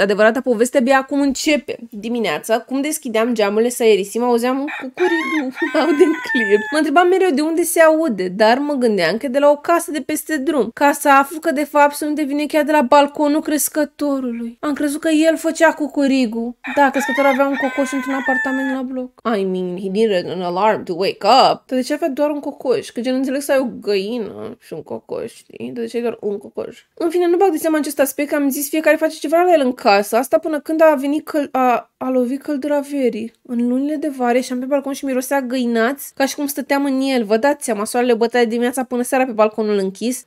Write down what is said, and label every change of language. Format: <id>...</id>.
<ro>Adevărata poveste abia acum începe. Dimineața, cum deschideam geamurile să aerisim, auzeam un cucuridu,</ro> <en>loud and clear.</en> <ro>Mă întrebam mereu de unde se aude, dar mă gândeam că de la o casă de peste drum. Ca să aflu că de fapt sunt devine chiar de la balconul crescătorului. Am crezut că el făcea cucuridu. Da, crescătorul avea un cocoș într-un apartament la bloc.</ro> <en>I mean, he needed an alarm to wake up.</en> <ro>Dar de ce avea doar un cocoș? Că gen înțeleg să ai o găină și un cocoș, știi? De ce ai doar un cocoș? În fine, nu bag de seama acest aspect, că am zis fiecare face ceva la el în casă. Asta până când a venit a lovit căldura verii. În lunile de vară ieșeam pe balcon și mirosea găinați ca și cum stăteam în el. Vă dați seama, soarele bătea de dimineața până seara pe balconul închis.</ro>